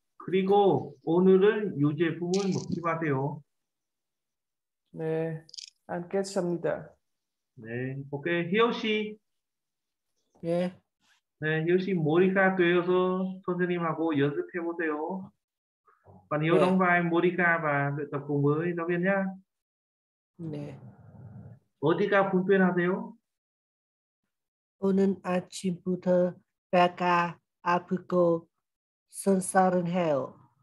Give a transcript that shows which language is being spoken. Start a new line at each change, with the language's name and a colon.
Korean: 그리고 오늘은 요 제품을 먹지 마세요. 네, 앉겠습니다. 네, 오케이. 희호 씨. 예. 네, 희호 씨, 모리카 되어서 선생님하고 연습해 보세요. 반 희호 네.
Vietnamese: đóng vai 모리카 và luyện tập cùng với giáo viên nhá.
Korean: 네. 어디가 불편하세요? 오늘 아침부터 배가 아프고 쓴쓸은 해요.